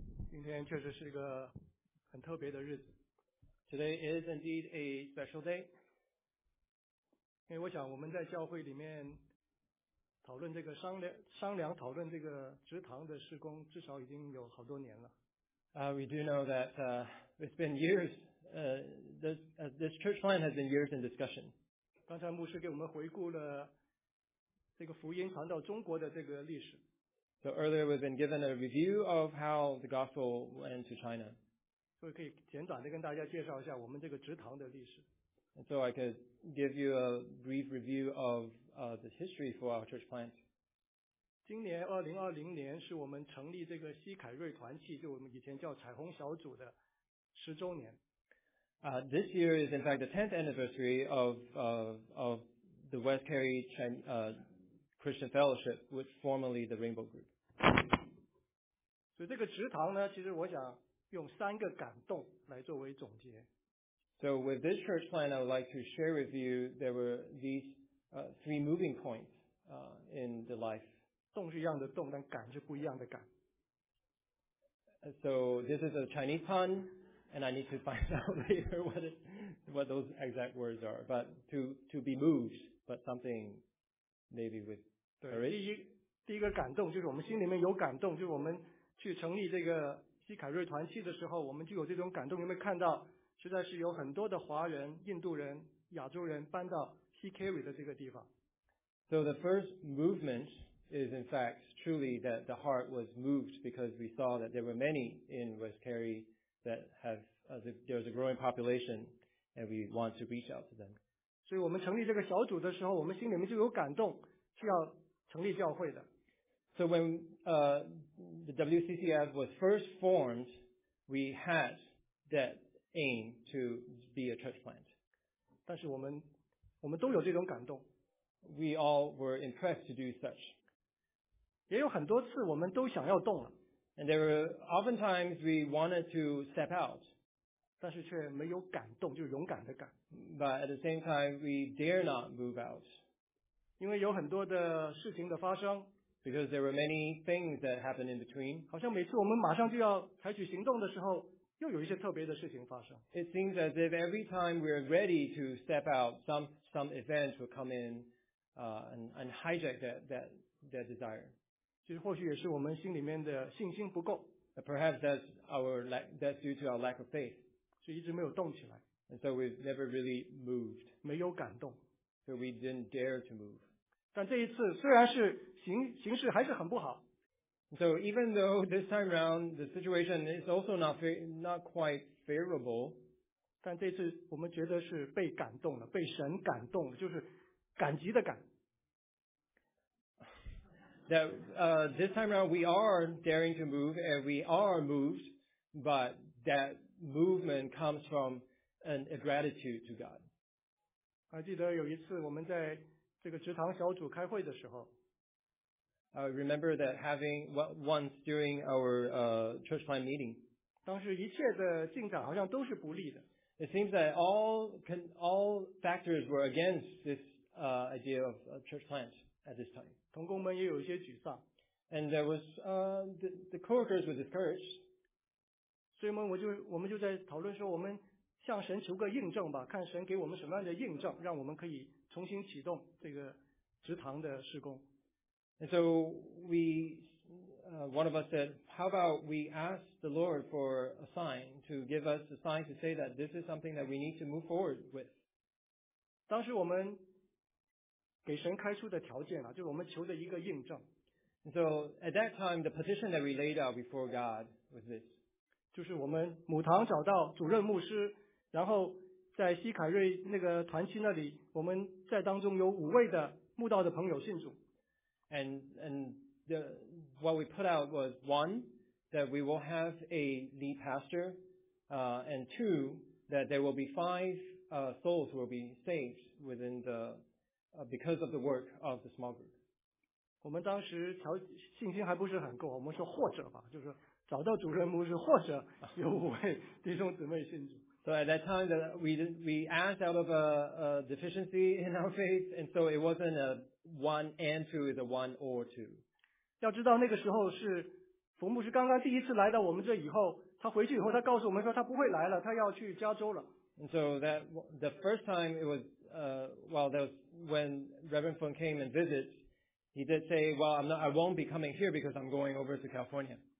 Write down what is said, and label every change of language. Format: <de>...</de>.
<zh>今天确实是一个很特别的日子。</zh> <en>Today is indeed a special day.</en> <zh>因为我想我们在教会里面讨论这个商量讨论这个职堂的事工至少已经有好多年了。</zh> <en>We do know that it's been years, this church plan has been years in discussion.</en> <zh>刚才牧师给我们回顾了这个福音传到中国的这个历史。</zh> <en>So earlier we've been given a review of how the gospel went to China.</en> <zh>所以可以简短的跟大家介绍一下我们这个职堂的历史。</zh> <en>And so I could give you a brief review of the history for our church plant.</en> <zh>今年2020年是我们成立这个西凯瑞团契，就我们以前叫彩虹小组的十周年。</zh> <en>This year is in fact the 10th anniversary of the West Cary Christian Fellowship, which formerly the Rainbow Group.</en> <zh>所以这个职堂呢，其实我想用三个感动来作为总结。</zh> <en>So with this church plan, I would like to share with you there were these three moving points in the life.</en> <zh>动是一样的动，但感是不一样的感。</zh> <en>So this is a Chinese pun, and I need to find out later what those exact words are. But to be moved, but something maybe with courage.</en> <zh>第一个感动就是我们心里面有感动，就是我们去成立这个西凯瑞团契的时候，我们就有这种感动。有没有看到？实在是有很多的华人、印度人、亚洲人搬到 Seacary 的这个地方。</zh> <en>So the first movement is in fact truly that the heart was moved because we saw that there were many in West Cary that there was a growing population and we want to reach out to them.</en> <zh>所以我们成立这个小组的时候，我们心里面就有感动，是要成立教会的。</zh> <en>So when the WCCF was first formed, we had that. Aim to be a church plant.</en> <zh>但是我们都有这种感动。</zh> <en>We all were impressed to do such.</en> <zh>也有很多次我们都想要动了。</zh> <en>And there were oftentimes we wanted to step out.</en> <zh>但是却没有感动，就是勇敢的感。</zh> <en>But at the same time, we dare not move out.</en> <zh>因为有很多的事情的发生。</zh> <en>Because there were many things that happened in between.</en> <zh>好像每次我们马上就要采取行动的时候，又有一些特别的事情发生。</zh> <en>It seems as if every time we're ready to step out, some events will come in, and hijack that desire.</en> <zh>其实或许也是我们心里面的信心不够。</zh> <en>But perhaps that's due to our lack of faith.</en> <zh>就一直没有动起来。</zh> <en>And so we've never really moved.</en> <zh>没有感动。</zh> <en>So we didn't dare to move.</en> <zh>但这一次虽然是形势还是很不好。</zh> <en>So even though this time around the situation is also not quite favorable.</en> <zh>但这次我们觉得是被感动了，被神感动了，就是感激的感。</zh> <en>That this time around we are daring to move and we are moved, but that movement comes from an gratitude to God.</en> <zh>还记得有一次我们在这个职堂小组开会的时候。</zh> <en>I remember that having once during our church plan meeting.</en> <zh>当时一切的进展好像都是不利的。</zh> <en>It seems that all factors were against this idea of church plant at this time.</en> <zh>同工们也有一些沮丧。</zh> <en>And there was the coworkers were discouraged.</en> <zh>所以我们就在讨论说，我们向神求个印证吧，看神给我们什么样的印证，让我们可以重新启动这个职堂的事工。</zh> <en>And so we, one of us said, how about we ask the Lord for a sign to give us a sign to say that this is something that we need to move forward with.</en> <zh>当时我们给神开出的条件啊，就是我们求的一个印证。</zh> <en>And so at that time, the petition that we laid out before God was this.</en> <zh>就是我们母堂找到主任牧师，然后在西凯瑞那个团契那里，我们在当中有五位的慕道的朋友信主。</zh> <en>And the what we put out was one that we will have a lead pastor, and two that there will be five souls will be saved within the because of the work of the small group.</en> <zh>我们当时信心还不是很够，我们说或者吧，就是。找到主任牧师，或者有五位弟兄姊妹信主。</zh> <en>So at that time, we asked out of a deficiency in our faith, and so it wasn't a one and two, it's a one or two.</en> <zh>要知道那个时候是冯牧师刚刚第一次来到我们这以后，他回去以后，他告诉我们说他不会来了，他要去加州了。</zh> <en>And so that the first time it was, well, that was when Reverend Fung came and visited, he did say, well, I won't be coming here because I'm going over to California.</en>